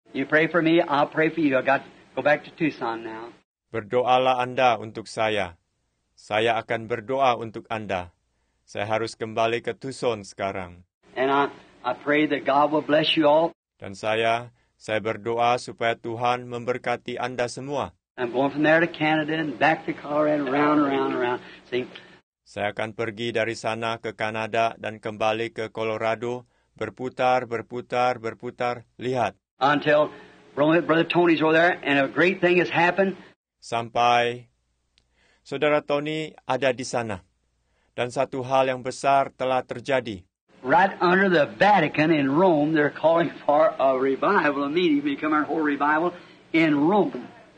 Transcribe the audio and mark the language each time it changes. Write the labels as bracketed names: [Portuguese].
[English] You pray for me, I'll pray for you. I got to go back to Tucson now. [Indonesian] Berdoalah Anda untuk saya. Saya akan berdoa untuk Anda. Saya harus kembali ke Tucson sekarang. [English] And I pray that God will bless you all. [Indonesian] Dan saya berdoa supaya Tuhan memberkati Anda semua. [English] I'm going from there to Canada and back to Colorado, round, round, round. [Indonesian] Saya akan pergi dari sana ke Kanada dan kembali ke Colorado, berputar, berputar, berputar. Lihat. [English] Until Brother Tony's over there and a great thing has happened. [Indonesian] Sampai Saudara Tony ada di sana. Dan satu hal yang besar telah terjadi. [English] right under the Vatican in Rome, they're calling for a revival, a meeting, become our whole revival in Rome.